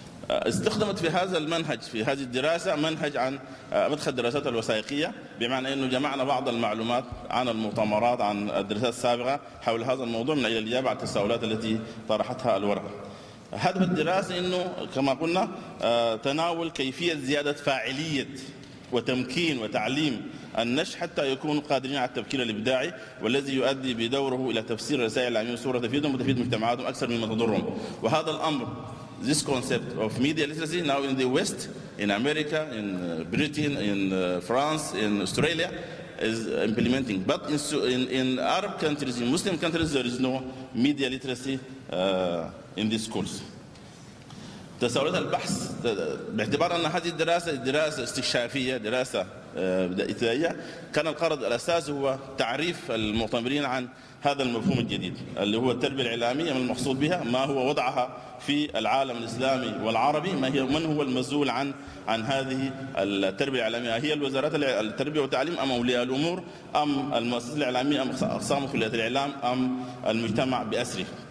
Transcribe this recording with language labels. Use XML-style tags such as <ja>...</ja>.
<ar>استخدمت في هذا المنهج في هذه الدراسة منهج عن مدخل الدراسات الوثائقية، بمعنى أنه جمعنا بعض المعلومات عن المؤتمرات عن الدراسات السابقة حول هذا الموضوع من أجل الإجابة على التساؤلات التي طرحتها الورقة. هدف الدراسة أنه كما قلنا تناول كيفية زيادة فاعلية وتمكين وتعليم النشء حتى يكون قادرين على التفكير الإبداعي، والذي يؤدي بدوره إلى تفسير الرسائل الإعلامية بصورة تفيدهم وتفيد مجتمعاتهم أكثر مما تضرهم. وهذا الأمر</ar> <en>this concept of media literacy now in the West, in America, in Britain, in France, in Australia is implementing. But in Arab countries, in Muslim countries, there is no media literacy in these schools.</en> <ar>تساؤلات البحث باعتبار أن هذه الدراسة استكشافية، دراسة ابتدائية، كان القرض الأساسي هو تعريف المعتمرين عن هذا المفهوم الجديد اللي هو التربية الإعلامية، من المقصود بها ما هو وضعها في العالم الإسلامي والعربي، ما هي من هو المسؤول عن هذه التربية الإعلامية، هي الوزارات التربية والتعليم أم أولياء الأمور أم المؤسسة الإعلامية أم أقسام كلية الإعلام أم المجتمع بأسره.</ar>